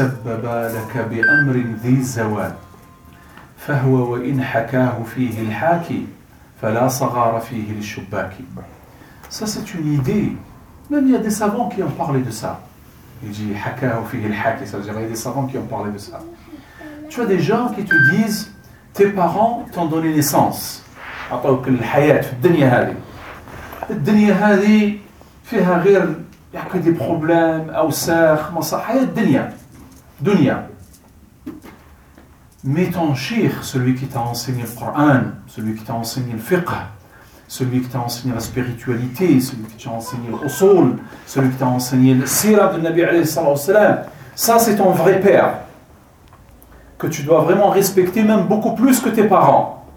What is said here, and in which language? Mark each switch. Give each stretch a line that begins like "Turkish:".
Arabic: تسبب لك بأمر ذي الزوال فهو وإن حكاه فيه الحاكي فلا صغار فيه للشباك.
French: Ça c'est une idée. Même il y a des savants qui ont parlé de ça. Il dit
Arabic: حكاه فيه الحاكي,
French: ça veut dire il y a des savants qui ont parlé de ça. Tu as des gens qui te disent tes parents t'ont donné naissance.
Arabic: عطاوك الحياة في الدنيا هذه. الدنيا هذه فيها غير,
French: il n'y a que des problèmes, aoussakh, masakh, hayat dunya, dunya. Mais ton cheikh, celui qui t'a enseigné le Coran, celui qui t'a enseigné le fiqh, celui qui t'a enseigné la spiritualité, celui qui t'a enseigné le usul, celui qui t'a enseigné le sirah de Nabi alayhi sallallahu alayhi wa sallam, ça c'est ton vrai père, que tu dois vraiment respecter même beaucoup plus que tes parents.